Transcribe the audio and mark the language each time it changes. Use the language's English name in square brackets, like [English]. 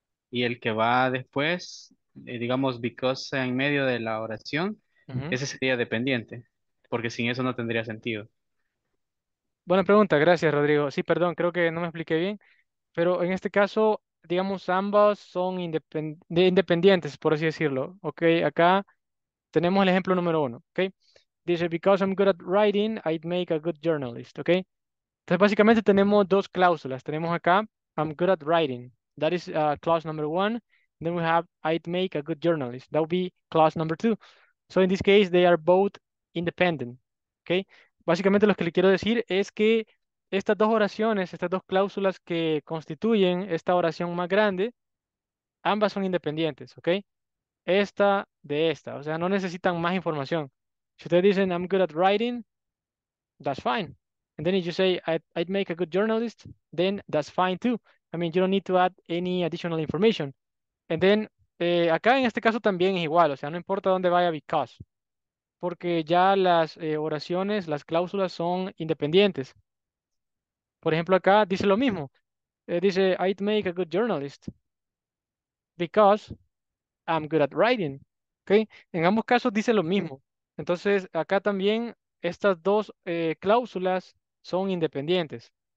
[Spanish] Y el que va después, digamos, because en medio de la oración, uh-huh. ese sería dependiente. Porque sin eso no tendría sentido. Buena pregunta, gracias Rodrigo. Sí, perdón, creo que no me expliqué bien. Pero en este caso, digamos, ambas son independientes, por así decirlo. Ok, acá tenemos el ejemplo número uno. Okay? Dice, [English] because I'm good at writing, I'd make a good journalist. [Spanish] Okay? Entonces, básicamente tenemos dos cláusulas. Tenemos acá, [English] I'm good at writing. That is clause number one. Then we have, I'd make a good journalist. That would be clause number two. So in this case, they are both independent, okay. [Spanish] Básicamente lo que le quiero decir es que estas dos oraciones, estas dos cláusulas que constituyen esta oración más grande, ambas son independientes, okay. Esta de esta, o sea, no necesitan más información. Si ustedes dicen [English] I'm good at writing, that's fine. And then if you say I'd make a good journalist, then that's fine too. I mean, you don't need to add any additional information. And then [Spanish] acá en este caso también es igual, o sea, no importa dónde vaya because. Porque ya las oraciones, las cláusulas son independientes. Por ejemplo, acá dice lo mismo. Dice, [English] I'd make a good journalist because I'm good at writing. [Spanish] ¿Okay? En ambos casos dice lo mismo. Entonces, acá también estas dos cláusulas son independientes.